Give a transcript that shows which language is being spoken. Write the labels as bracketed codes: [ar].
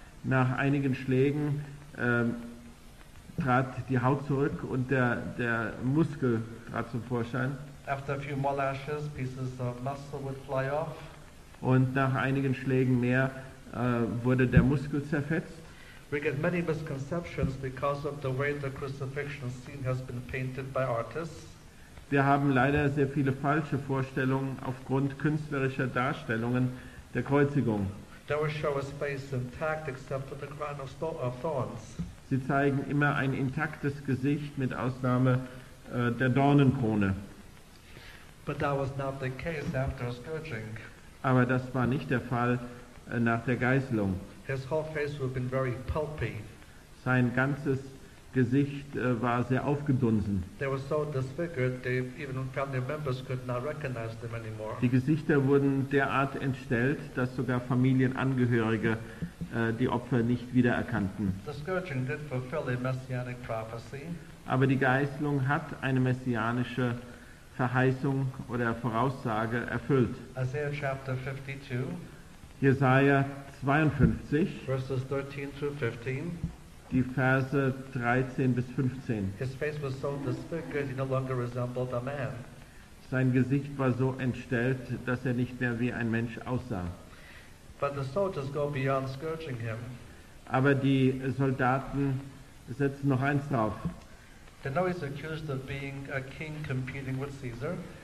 [de] Nach einigen Schlägen trat die Haut zurück und der Muskel trat zum Vorschein. [en] After a few more lashes, pieces of muscle would fly off. [de] Und nach einigen Schlägen mehr wurde der Muskel zerfetzt. [en] We get many misconceptions because of the way the crucifixion scene has been painted by artists. [de] Wir haben leider sehr viele falsche Vorstellungen aufgrund künstlerischer Darstellungen der Kreuzigung. [en] They will show a space intact except for the crown of thorns. [de] Sie zeigen immer ein intaktes Gesicht mit Ausnahme der Dornenkrone. [en] But that was not the case after scourging. [de] Aber das war nicht der Fall nach der Geißelung. [en] His whole face would have been very pulpy. [de] Sein ganzes Gesicht war sehr aufgedunsen. [en] They were so disfigured, they even family members could not recognize them anymore. [de] Die Gesichter wurden derart entstellt, dass sogar Familienangehörige die Opfer nicht wiedererkannten. [en] The scourging did fulfill a messianic prophecy. [de] Aber die Geißelung hat eine messianische Verheißung oder Voraussage erfüllt. [en] Isaiah chapter 52. [de] Jesaja 52, [en] verses 13 through 15, [de] die Verse 13 bis 15. [en] His face was so disfigured, he no longer resembled a man. [de] Sein Gesicht war so entstellt, dass er nicht mehr wie ein Mensch aussah. [en] But the soldiers go beyond scourging him. [de] Aber die Soldaten setzen noch eins drauf. [en] They know he's accused of being a king competing with Caesar.